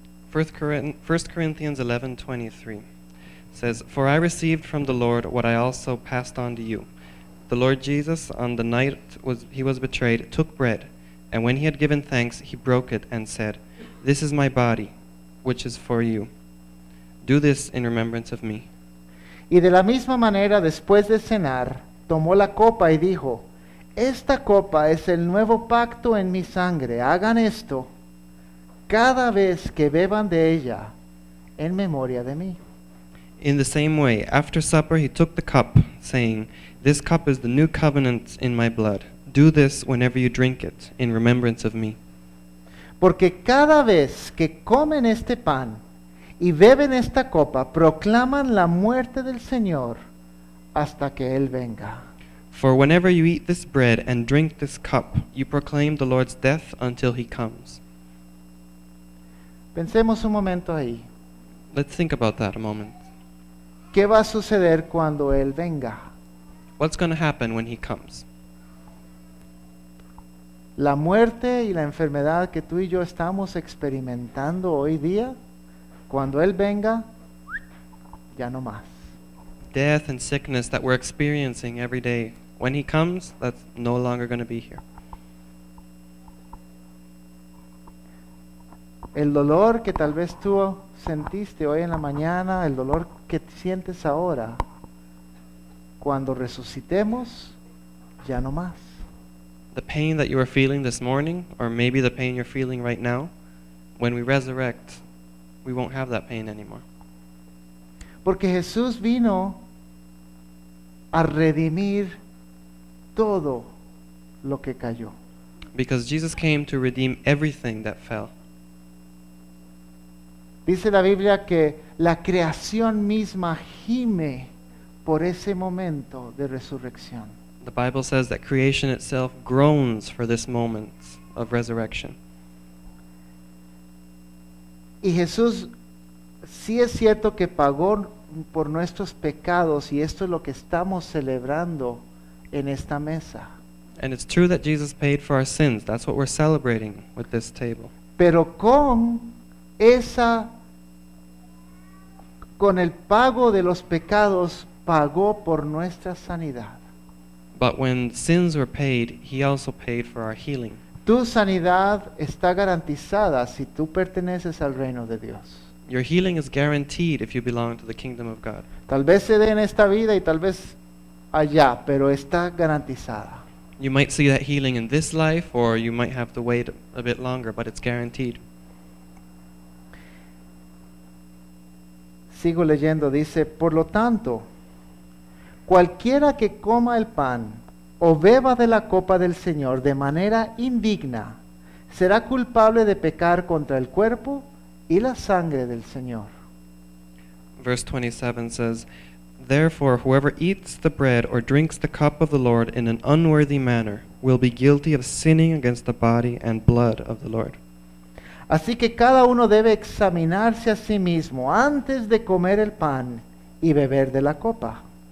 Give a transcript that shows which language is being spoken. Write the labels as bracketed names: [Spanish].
[English] First Corinthians 11:23 says, for I received from the Lord what I also passed on to you. The Lord Jesus, on the night he was betrayed, took bread, and when he had given thanks, he broke it and said, this is my body, which is for you. Do this in remembrance of me. [Spanish] Y de la misma manera, después de cenar, tomó la copa y dijo, esta copa es el nuevo pacto en mi sangre. Hagan esto cada vez que beban de ella, en memoria de mí. [English] In the same way, after supper he took the cup, saying, this cup is the new covenant in my blood. Do this whenever you drink it, in remembrance of me. [Spanish] Porque cada vez que comen este pan y beben esta copa, proclaman la muerte del Señor hasta que Él venga. [English] For whenever you eat this bread and drink this cup, you proclaim the Lord's death until He comes. [Spanish] Pensemos un momento ahí. [English] Let's think about that a moment. [Spanish] ¿Qué va a suceder cuando Él venga? [English] What's going to happen when He comes? [Spanish] La muerte y la enfermedad que tú y yo estamos experimentando hoy día, cuando Él venga, ya no más. [English] Death and sickness that we're experiencing every day, when He comes, that's no longer going to be here. [Spanish] El dolor que tal vez tú sentiste hoy en la mañana, el dolor que sientes ahora, cuando resucitemos, ya no más. [English] The pain that you are feeling this morning, or maybe the pain you're feeling right now, when we resurrect, we won't have that pain anymore. [Spanish] Porque Jesús vino a redimir todo lo que cayó. [English] Because Jesus came to redeem everything that fell. [Spanish] Dice la Biblia que la creación misma gime por ese momento de resurrección. [English] The Bible says that creation itself groans for this moment of resurrection. [Spanish] Y Jesús, sí es cierto que pagó por nuestros pecados, y esto es lo que estamos celebrando en esta mesa. [English] And it's true that Jesus paid for our sins. That's what we're celebrating with this table. [Spanish] Pero con esa, con el pago de los pecados, pagó por nuestra sanidad. [English] But when sins were paid, he also paid for our healing. [Spanish] Tu sanidad está garantizada si tú perteneces al reino de Dios. [English] Your healing is guaranteed if you belong to the kingdom of God. [Spanish] Tal vez se dé en esta vida y tal vez allá, pero está garantizada. [English] You might see that healing in this life, or you might have to wait a bit longer, but it's guaranteed. [Spanish] Sigo leyendo, dice, por lo tanto, cualquiera que coma el pan o beba de la copa del Señor de manera indigna, será culpable de pecar contra el cuerpo y la sangre del Señor. [English] Verse 27 says, therefore, whoever eats the bread or drinks the cup of the Lord in an unworthy manner will be guilty of sinning against the body and blood of the Lord. [Spanish] Así que cada uno debe examinarse a sí mismo antes de comer el pan y beber de la copa.